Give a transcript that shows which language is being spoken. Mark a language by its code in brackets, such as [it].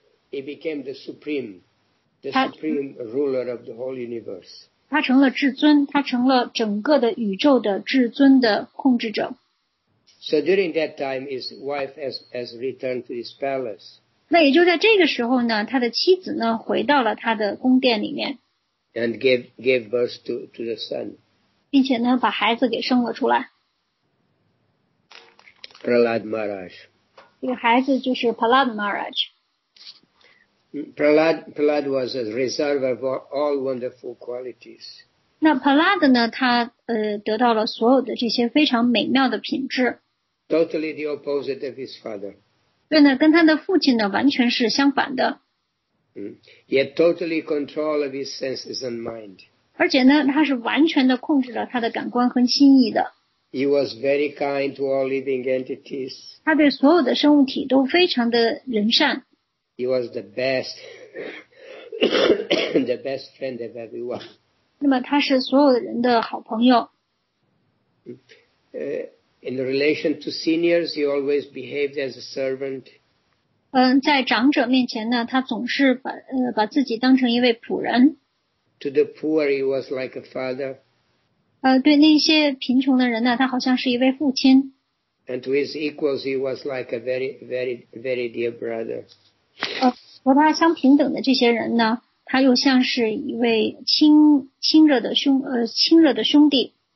[en] He became the supreme ruler of the whole universe. [zh] 他成了至尊，他成了整个的宇宙的至尊的控制者。 [en] So during that time, his wife has returned to his palace. [zh] 那也就在这个时候呢，他的妻子呢回到了他的宫殿里面。 [en] And gave birth to the son. [zh] 并且呢，把孩子给生了出来。 [en] Prahlad Maharaj. [zh] 这个孩子就是 Prahlad Maharaj. [en] Prahlad was a reservoir of all wonderful qualities. [zh] 那 Prahlad 呢，他得到了所有的这些非常美妙的品质。 [en] Totally the opposite of his father. [zh] 对呢，跟他的父亲呢完全是相反的。 [en] He had totally control of his senses and mind. [zh] 而且呢，他是完全的控制了他的感官和心意的。 [en] He was very kind to all living entities. [zh] 他对所有的生物体都非常的仁善。 [en] He was the best, the best friend of everyone. [zh] 那么他是所有的人的好朋友。 [en] In relation to seniors, he always behaved as a servant. [zh] 在长者面前呢，他总是把自己当成一位仆人。 [en] To the poor, he was like a father. [zh] 对那些贫穷的人呢，他好像是一位父亲。 [en] And to his equals, he was like a very, very, very dear brother. [zh] 和他相平等的这些人呢，他又像是一位亲热的兄弟。